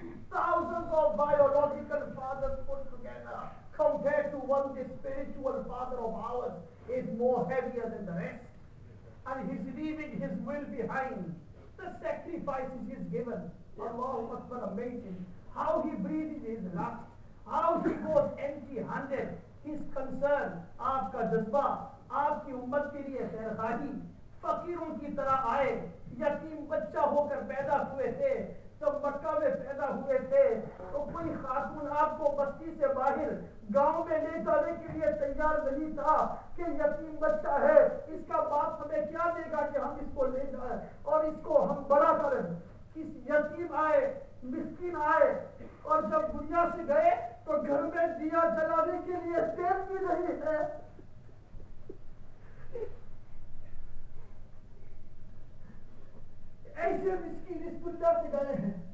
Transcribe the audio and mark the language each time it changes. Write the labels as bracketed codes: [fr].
[en] Thousands of biological fathers put together compared to one, the spiritual father of ours is more heavier than the rest. And he's leaving his will behind. The sacrifices he's given, Allahu Akbar, amazing. How he breathes his last, how he goes empty-handed, his concern, [ur] aapka jazba, aapki ummat ke liye khairkhahi, فقیروں کی طرح آئے, یتیم بچہ ہو کر پیدا ہوئے تھے, جب مکہ میں پیدا ہوئے تھے تو کوئی خاتون آپ کو بستی سے باہر گاؤں میں لے جانے کے لیے تیار نہیں تھا کہ یتیم بچہ ہے, اس کا باپ ہمیں کیا دے گا کہ ہم اس کو لے جائیں اور اس کو ہم بڑا کریں. کس يتيم آئے مسكين آئے اور جب دنیا سے گئے تو گھر میں دیا جلانے کے لیے تیل بھی نہیں ہے ایسے مسكين اس دنیا سے گئے ہیں